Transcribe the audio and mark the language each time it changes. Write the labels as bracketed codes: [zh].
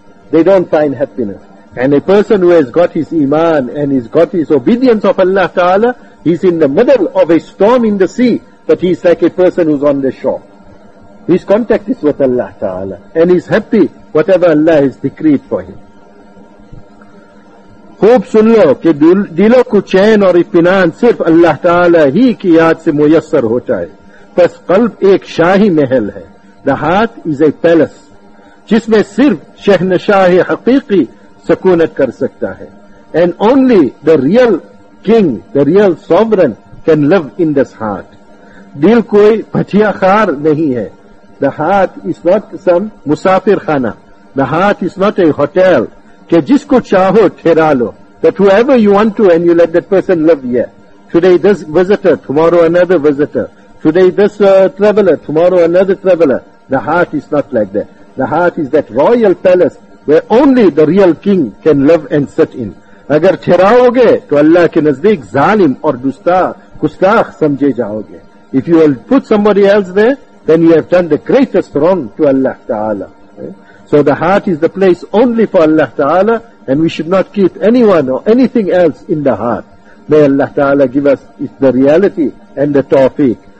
[en] They don't find happiness. And a person who has got his iman and has got his obedience of Allah Ta'ala, he's in the middle of a storm in the sea, but he's like a person who's on the shore. His contact is with Allah Ta'ala, and he's happy whatever Allah has decreed for him. [ur] خوب سن لو کہ دلوں کو چین اور اطمینان صرف اللہ تعالی ہی کی یاد سے میسر ہوتا ہے. بس قلب ایک شاہی محل ہے. [en] The heart is a palace [ur] جس میں صرف شہنشاہ حقیقی سکونت کر سکتا ہے. [en] And only the real king, the real sovereign can live in this heart. [ur] دل کوئی بھٹیا خار نہیں ہے. [en] The heart is not some [ur] مسافر خانہ. [en] The heart is not a hotel [ur] کہ جس کو چاہو ٹھہرا لو. [en] That whoever you want to and you let that person live here. Today this visitor, tomorrow another visitor. Today this traveler, tomorrow another traveler. The heart is not like that. The heart is that royal palace where only the real king can live and sit in. [ur] اگر ٹھہراؤ گے تو اللہ کے نزدیک ظالم اور گستاخ سمجھے جاؤ گے. [en] If you will put somebody else there, then you have done the greatest wrong to Allah Ta'ala. So the heart is the place only for Allah Ta'ala, and we should not keep anyone or anything else in the heart. May Allah Ta'ala give us the reality and the tawfiq.